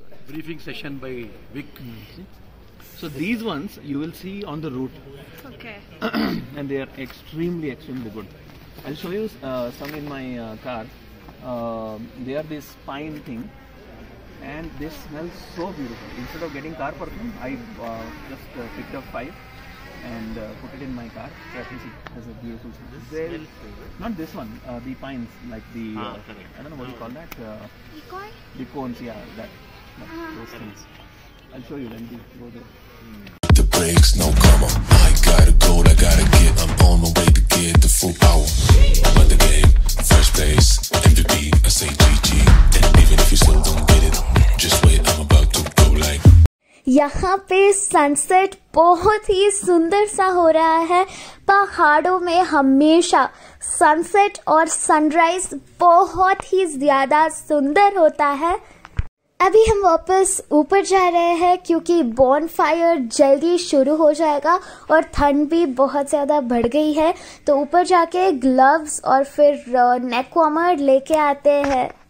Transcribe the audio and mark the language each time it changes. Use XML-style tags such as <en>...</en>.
<en>Briefing session by week. So these ones you will see on the route and they are extremely extremely good. I will show you some in my car. They are this pine thing and this smells so beautiful. Instead of getting car perfume, I just picked up 5 and put it in my car. So I can see there's a beautiful smell. This smells favorite. Not this one, the pines, like the, I don't know what you call that. The cones, yeah, that. Those things. I'll show you when we go there. The brakes, no karma. I gotta go, I gotta get. I'm on my way to get the full power. I'm in the game, first place. MVP, I say GG. And even if you still don't get it, just wait, I'm about to go like.</en> <hi>यहाँ पे sunset बहुत ही सुंदर सा हो रहा है। पहाड़ों में हमेशा सनसेट और सनराइज बहुत ही ज्यादा सुंदर होता है। अभी हम वापस ऊपर जा रहे हैं क्योंकि बॉनफायर जल्दी शुरू हो जाएगा और ठंड भी बहुत ज़्यादा बढ़ गई है, तो ऊपर जाके ग्लव्स और फिर नेक वार्मर लेके आते हैं।</hi>